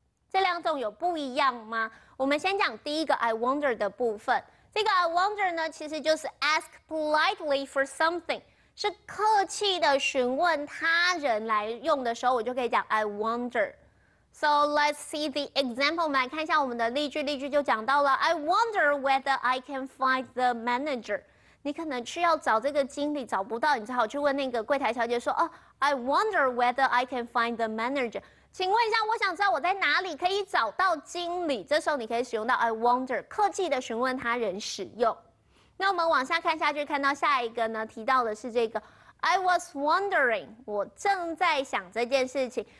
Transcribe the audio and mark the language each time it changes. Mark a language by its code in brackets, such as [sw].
[zh] 这两种有不一样吗？我们先讲第一个 I wonder 的部分。这个 I wonder 呢，其实就是 [en] ask politely for something， [zh] 是客气的询问他人来用的时候，我就可以讲 I wonder。 [en] So let's see the example， [zh] 我们来看一下我们的例句。例句就讲到了 [en] I wonder whether I can find the manager。 [zh] 你可能去要找这个经理找不到，你只好去问那个柜台小姐说：“哦、 [en] I wonder whether I can find the manager。” [zh] 请问一下，我想知道我在哪里可以找到经理。这时候你可以使用到 I wonder， 客气的询问他人使用。那我们往下看下去，看到下一个呢，提到的是这个 I was wondering， 我正在想这件事情。